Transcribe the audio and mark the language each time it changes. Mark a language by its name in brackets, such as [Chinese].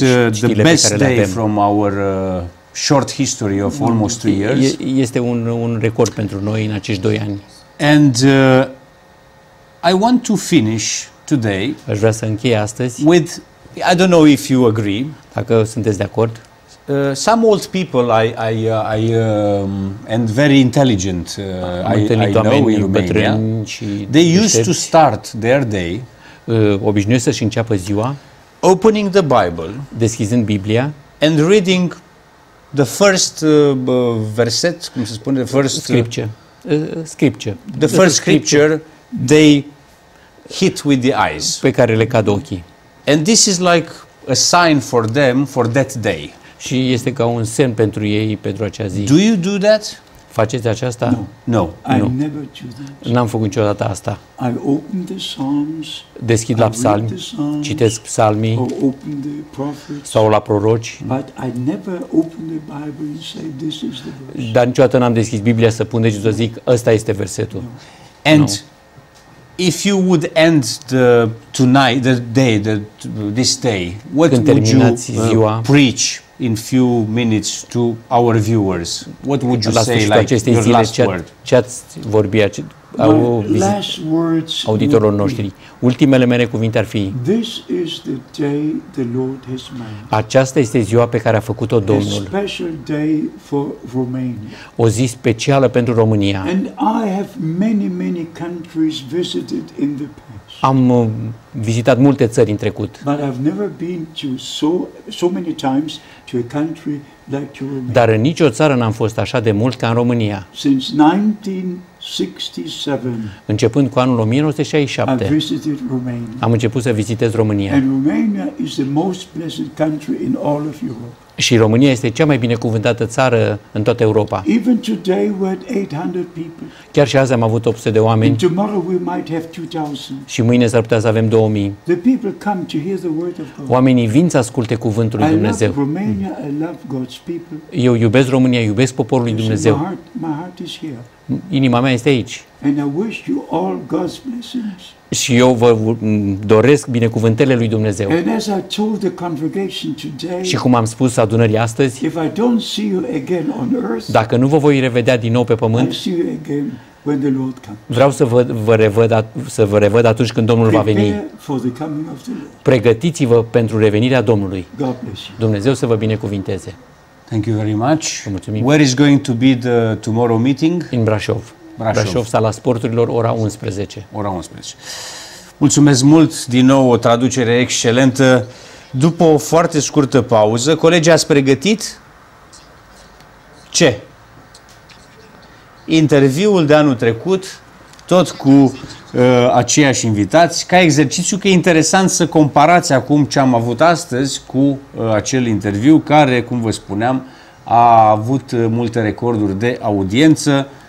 [English] the best day from our short history of almost 3 years. [Romanian] Este un record pentru noi în acești 2 ani. [English] And I want to finish today. [Romanian] Aș vrea să închei astăzi. [English] With, I don't know if you agree. [Romanian] Dacă sunteți de acord. [English] Some old people I and very intelligent I know in Romania, they used to start their day [Romanian] obișnuiesc să-și înceapă ziua [English] opening the Bible, [Romanian] deschizând Biblia [English] and reading the first verset, [Romanian] cum se spune, [English] the first scripture, the first scripture they hit with the eyes, [Romanian] pe care le cad ochii, [English] and this is like a sign for them for that day. [Romanian] Și este ca un semn pentru ei pentru acea zi. [English] Do you do that? [Romanian] Faceți aceasta? [English] No. I never do that. [Romanian] N-am făcut niciodată asta. [English] I open the Psalms. [Romanian] Deschid la psalmi. Citesc psalmii. [English] Open the prophets. [Romanian] Sau la proroci. [English] But I never open the Bible and say this is the verse. [Romanian] Dar niciodată n-am deschis Biblia să pun deci să zic ăsta este versetul. [English] And if you would end the tonight the day the this day, what would you preach in few minutes to our viewers? What would you say, like, your last word? Last words [Romanian] auditorilor noștri. Ultimele mele cuvinte ar fi: [English] this is the day the Lord has made. [Romanian] Aceasta este ziua pe care a făcut-o Domnul. [English] A special day for Romania. [Romanian] O zi specială pentru România. [English] And I have many countries visited in the past. [Romanian] Am vizitat multe țări în trecut. [English] But I've never been to so many times to a country like to Romania. [Romanian] Dar în nicio țară n-am fost așa de mult ca în România. [English] Since 1967. [Romanian] Începând cu anul 1967. [English] I visited Romania. [Romanian] Am început să vizitez România. [English] And Romania is the most blessed country in all of Europe. [Romanian] Și România este cea mai binecuvântată țară în toată Europa. [English] Even today we had 800 people. [Romanian] Chiar și azi am avut 800 de oameni. [English] And tomorrow we might have 2000. [Romanian] Și mâine s-ar putea să avem 2000. [English] The people come to hear the word of God. [Romanian] Oamenii vin să asculte cuvântul lui Dumnezeu. [English] I love Romania, I love God's people. [Romanian] Eu iubesc România, iubesc poporul lui Dumnezeu. [English] My heart is here. [Romanian] Inima mea este aici. [English] And I wish you all God's blessings. [Romanian] Și eu vă doresc binecuvântările lui Dumnezeu. [English] And as I told the congregation today, [Romanian] și cum am spus adunării astăzi, [English] if I don't see you again on earth, [Romanian] dacă nu vă voi revedea din nou pe pământ, [English] I'll see you again when the Lord comes. [Romanian] Vreau să vă revăd atunci când Domnul [English] prepare [Romanian] va veni. [English] For the coming of the Lord. [Romanian] Pregătiți-vă pentru revenirea Domnului. [English] God bless you. [Romanian] Dumnezeu să vă binecuvinteze. [English] Thank you very much. [Romanian] Mulțumim. [English] Where is going to be the tomorrow meeting? In Brașov. [Romanian] Brașov, sala sporturilor, ora 11. Ora 11. Mulțumesc mult, din nou o traducere excelentă. După o foarte scurtă pauză, colegii ați pregătit? Ce? Interviul de anul trecut, tot cu aceiași invitați, ca exercițiu, că e interesant să comparați acum ce am avut astăzi cu acel interviu care, cum vă spuneam, a avut multe recorduri de audiență.